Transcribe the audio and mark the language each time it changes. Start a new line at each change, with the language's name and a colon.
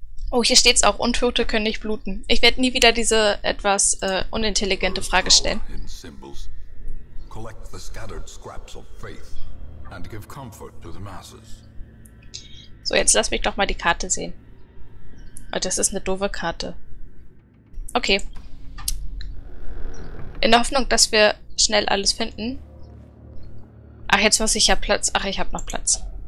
German: Oh, hier steht's auch, Untote können nicht bluten. Ich werde nie wieder diese etwas unintelligente Frage stellen.
English: In symbols. Collect the scattered scraps of faith and give comfort to the masses.
German: So, jetzt lass mich doch mal die Karte sehen. Oh, das ist eine doofe Karte. Okay. In der Hoffnung, dass wir schnell alles finden. Ach, jetzt muss ich ja Platz. Ach, ich habe noch Platz.